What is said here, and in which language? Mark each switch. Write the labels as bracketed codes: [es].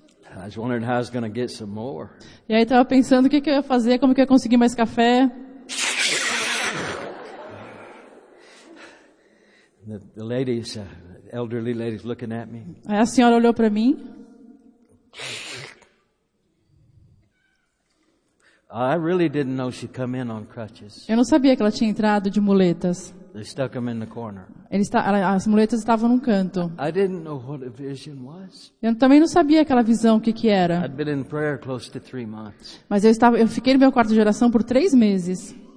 [en] I was wondering how I was gonna get some more. [pt] E aí estava pensando o que eu ia fazer, como que eu ia conseguir mais café. [en] The ladies, elderly ladies looking at me. [pt] Aí a senhora olhou para mim. [en] I really didn't know she'd come in on crutches. [pt] Eu não sabia que ela tinha entrado de muletas. [en] They stuck them in the corner. [pt] As muletas estavam num canto. [en] I didn't know what a vision was. [pt] Eu também não sabia aquela visão, o que que era. [en] I'd been in prayer close to 3 months. [pt] Mas eu fiquei no meu quarto de oração por 3 meses.